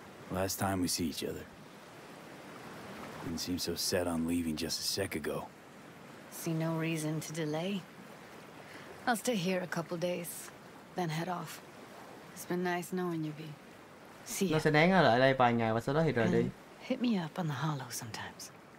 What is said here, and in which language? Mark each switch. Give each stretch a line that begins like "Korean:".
English: Last time we see each other. Didn't seem so set on leaving just a sec ago. See no reason to delay. I'll stay here a couple days, then head off. It's been nice knowing you, B. See ya.
Vietnamese: Nó sẽ nén ở lại đây vài ngày và sau đó thì rời đi.
English: Hit me up on the hollow sometimes.